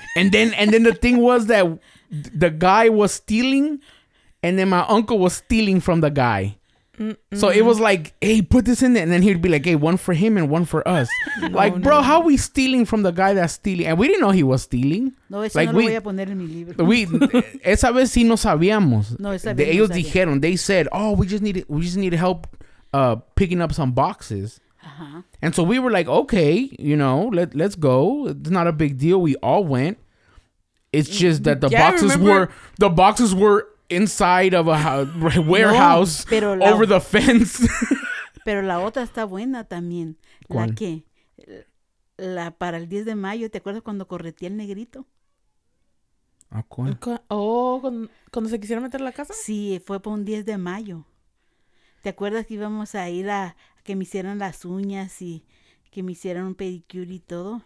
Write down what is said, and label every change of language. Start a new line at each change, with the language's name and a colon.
English: And then the thing was that the guy was stealing, and then my uncle was stealing from the guy. Mm-mm. So it was like, hey, put this in there. And then he'd be like, hey, one for him and one for us. How are we stealing from the guy that's stealing? And we didn't know he was stealing.
Spanish: No, eso like, no lo voy a poner en mi libro. esa vez sí no sabíamos. No, esa vez ellos dijeron,
English: they said, oh, we just need help picking up some boxes. Uh-huh. And so we were like, okay, you know, let's go. It's not a big deal. We all went. It's just that the boxes were inside of a warehouse over the fence.
Spanish: Pero la otra está buena también. ¿Cuál? La que la para el 10 de mayo, ¿te acuerdas cuando correté el negrito? ¿A cuál? Cuando se quisieron meter a la casa? Sí, fue por un 10 de mayo. ¿Te acuerdas que íbamos a ir a que me hicieran las uñas y que me hicieran un pedicure y todo?